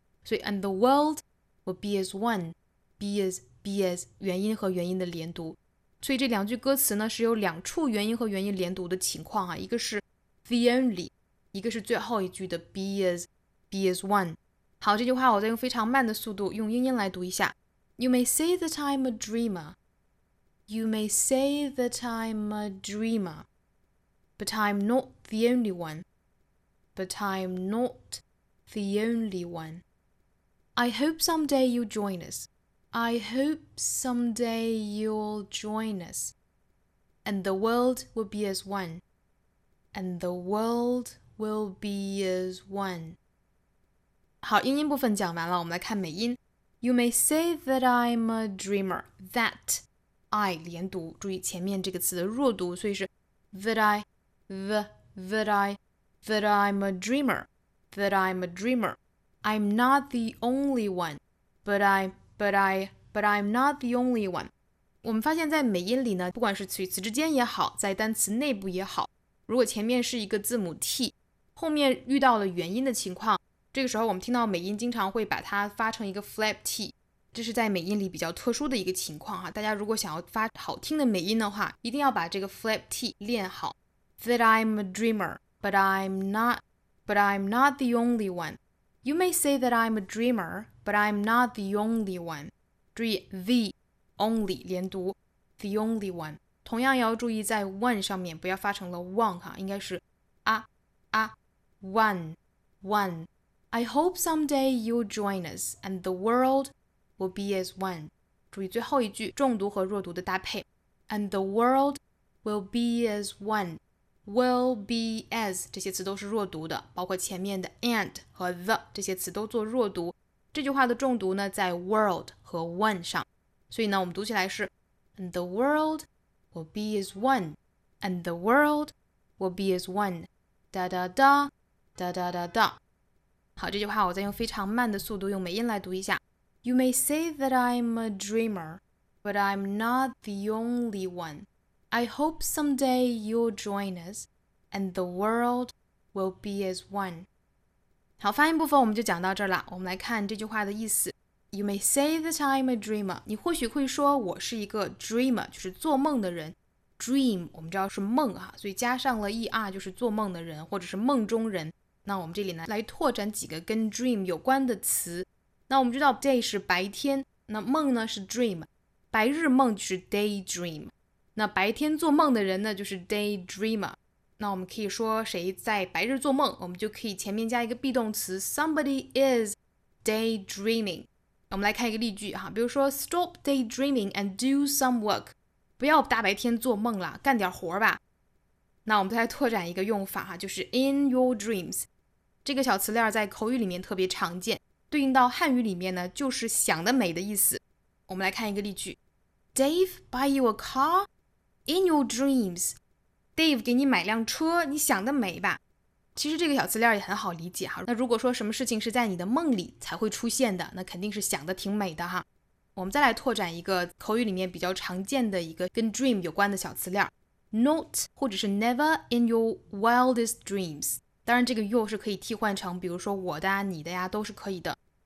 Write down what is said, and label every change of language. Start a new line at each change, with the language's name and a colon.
Chinese: 所以
English: and the world will be as one， be as
Chinese: 元音和元音的连读，所以这两句歌词呢是有两处元音和元音连读的情况啊，一个是
English: the only，
Chinese: 一个是最后一句的
English: be as one。
Chinese: 好，这句话我再用非常慢的速度用英音来读一下。
English: You may say that I'm a dreamer. You may say that I'm a dreamer. But I'm not the only one. But I'm not the only one. I hope someday you'll join us. I hope someday you'll join us. And the world will be as one. And the world will be as one.
Chinese: 好，英音部分讲完了，我们来看美音。
English: You may say that I'm a dreamer. That I
Chinese: 连读，注意前面这个词的弱读，所以是
English: that I'm a dreamer. I'm not the only one, but I'm not the only one.
Chinese: 我们发现，在美音里呢，不管是词与词之间也好，在单词内部也好，如果前面是一个字母 t， 后面遇到了元音的情况。这个时候我们听到美音经常会把它发成一个 flap t， 这是在美音里比较特殊的一个情况啊。大家如果想要发好听的美音的话，一定要把这个 flap t 练好。
English: That I'm a dreamer, but I'm not the only one. You may say that I'm a dreamer, but I'm not the only one.
Chinese: 注意 the only 连读
English: the only one，
Chinese: 同样要注意在 one 上面不要发成了 one 哈，应该是 one。
English: I hope someday you'll join us and the world will be as one.
Chinese: 注意最后一句重读和弱读的搭配。
English: And the world will be as one. Will be as
Chinese: 这些词都是弱读的，包括前面的 and 和 the 这些词都做弱读。这句话的重读呢在 world 和 one 上。所以呢我们读起来是
English: And the world will be as one. And the world will be as one. Da da da da da da da.
Chinese: 好，这句话我再用非常慢的速度用美音来读一下。
English: You may say that I'm a dreamer, but I'm not the only one. I hope someday you'll join us, and the world will be as one.
Chinese: 好，发音部分我们就讲到这儿了。我们来看这句话的意思。
English: You may say that I'm a dreamer.
Chinese: 你或许会说我是一个 dreamer， 就是做梦的人。 Dream 我们知道是梦啊，所以加上了 er 就是做梦的人或者是梦中人。那我们这里呢来拓展几个跟 dream 有关的词。那我们知道 day 是白天，那梦呢是 dream， 白日梦就是 daydream， 那白天做梦的人呢就是 daydreamer。那我们可以说谁在白日做梦，我们就可以前面加一个 be 动词
English: somebody is daydreaming。
Chinese: 我们来看一个例句哈，比如说
English: stop daydreaming and do some work，
Chinese: 不要大白天做梦了，干点活吧。那我们再拓展一个用法哈，就是
English: in your dreams，
Chinese: 这个小词链在口语里面特别常见，对应到汉语里面呢就是想得美的意思。我们来看一个例句，
English: Dave buy you a car in your dreams，
Chinese: Dave 给你买辆车，你想得美吧。其实这个小词链也很好理解哈，那如果说什么事情是在你的梦里才会出现的，那肯定是想得挺美的哈。我们再来拓展一个口语里面比较常见的一个跟 dream 有关的小词链，not 或者是
English: never in your wildest dreams，
Chinese: 当然这个 your 是可以替换成比如说我的啊你的呀、啊、都是可以的。